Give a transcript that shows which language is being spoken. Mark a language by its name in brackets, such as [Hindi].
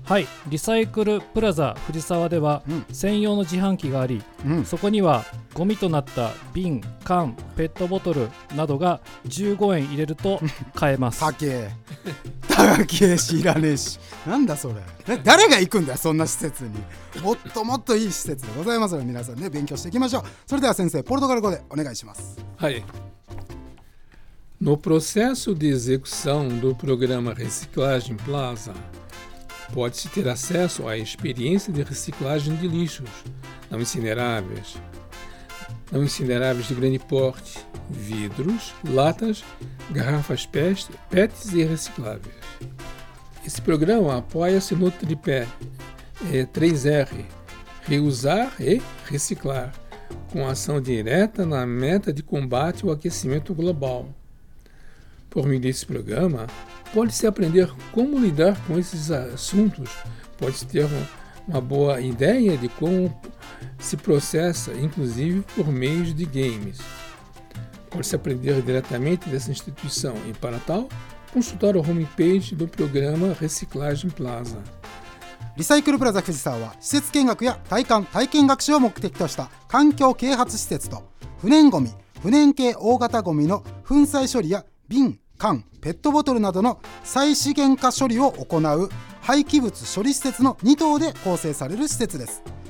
[Japanese] はい、リサイクルプラザ藤沢では専用の自販機があり、そこにはゴミとなった瓶、缶、ペットボトルなどが15円入れると買えます。高けえ、知らねえし、なんだそれ、誰が行くんだよそんな施設に。もっともっといい施設でございますので皆さんね、勉強していきましょう。それでは先生、ポルトガル語でお願いします。はい。 [Portuguese] No processo de execução do programa Reciclagem Plaza, pode-se ter acesso à experiência de reciclagem de lixos não incineráveis de grande porte, vidros, latas, garrafas PETs e recicláveis. Esse programa apoia-se no tripé 3R, reusar e reciclar, com ação direta na meta de combate ao aquecimento global. Por meio desse programa, pode-se aprender como lidar com esses assuntos, pode-se ter uma boa ideia de como se processa, inclusive por meio de games. Pode-se aprender diretamente dessa instituição e, para tal, consultar o homepage do programa Reciclagem Plaza. [Japanese] リサイクルプラザ藤沢は施設見学や体感・体験学習を目的とした環境啓発施設と、不燃ごみ、不燃系大型ごみの粉砕処理や瓶、缶、ペットボトルなどの再資源化処理を行う廃棄物処理施設の2棟で構成される施設です。